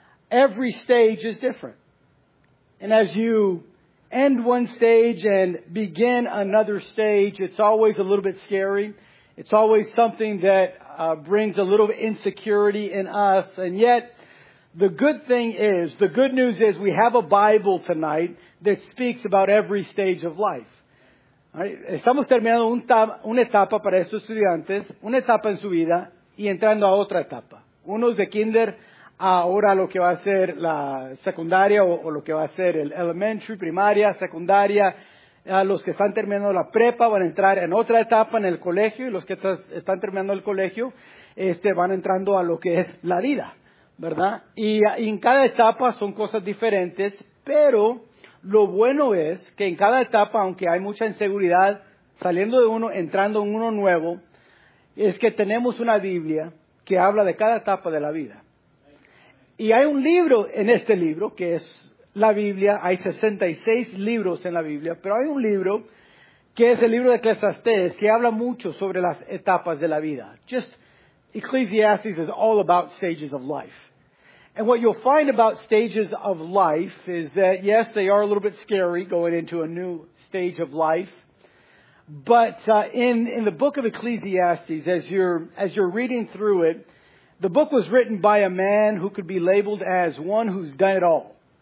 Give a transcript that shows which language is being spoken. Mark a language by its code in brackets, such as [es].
[en] Every stage is different. And as you end one stage and begin another stage, it's always a little bit scary. It's always something that brings a little insecurity in us. And yet, the good thing is, the good news is, we have a Bible tonight that speaks about every stage of life. Right? [es] Estamos terminando una etapa para estos estudiantes, una etapa en su vida, y entrando a otra etapa. Unos de kinder, ahora lo que va a ser la secundaria o lo que va a ser el elementary, primaria, secundaria. Los que están terminando la prepa van a entrar en otra etapa en el colegio, y los que están terminando el colegio van entrando a lo que es la vida, ¿verdad? Y en cada etapa son cosas diferentes, pero lo bueno es que en cada etapa, aunque hay mucha inseguridad saliendo de uno, entrando en uno nuevo, es que tenemos una Biblia que habla de cada etapa de la vida. Y hay un libro en este libro, que es la Biblia. Hay 66 libros en la Biblia, pero hay un libro que es el libro de Eclesiastés, que habla mucho sobre las etapas de la vida. [en] Just Ecclesiastes is all about stages of life. And what you'll find about stages of life is that, yes, they are a little bit scary going into a new stage of life. But in the book of Ecclesiastes, as you're reading through it, the book was written by a man who could be labeled as one who's done it all.